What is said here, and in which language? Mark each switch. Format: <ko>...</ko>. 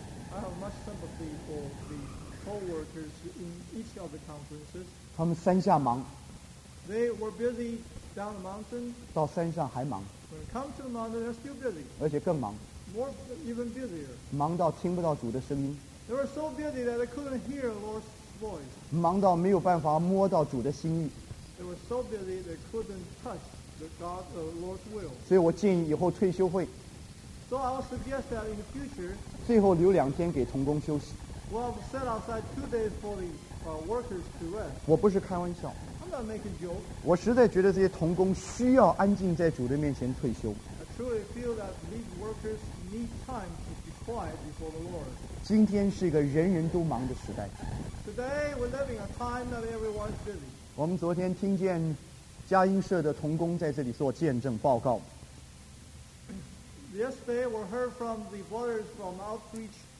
<en>I have much sympathy for the co-workers in each of the conferences.</en> <zh>他们山下忙。</zh> <en>They were busy down the mountain.</en> <zh>到山上还忙。</zh> <en>When they come to the mountain, they're still busy.</en> <zh>而且更忙。</zh> <en>More even busier.</en> <zh>忙到听不到主的声音。</zh> <en>They were so busy that they couldn't hear the Lord's voice.</en> <zh>忙到没有办法摸到主的心意。</zh> <en>They were so busy they couldn't touch the Lord's will.</en> <zh>所以我建议以后退休会。</zh> <en>So I would suggest that in the future.</en> <zh>最后留两天给同工休息。</zh> <en>We'll set aside 2 days for the workers to rest.</en> <zh>我不是开玩笑。</zh> <en>I'm not making jokes.</en> <zh>我实在觉得这些同工需要安静在主的面前退休。</zh> <en>I truly feel that these workers need time to be quiet before the Lord.</en> <zh>今天是一个人人都忙的时代。</zh> <en>Today we're living a time that everyone's busy.</en> <zh>我们昨天听见佳音社的同工在这里做见证报告。</zh> <en>Yesterday we heard from the brothers from outreach.</en>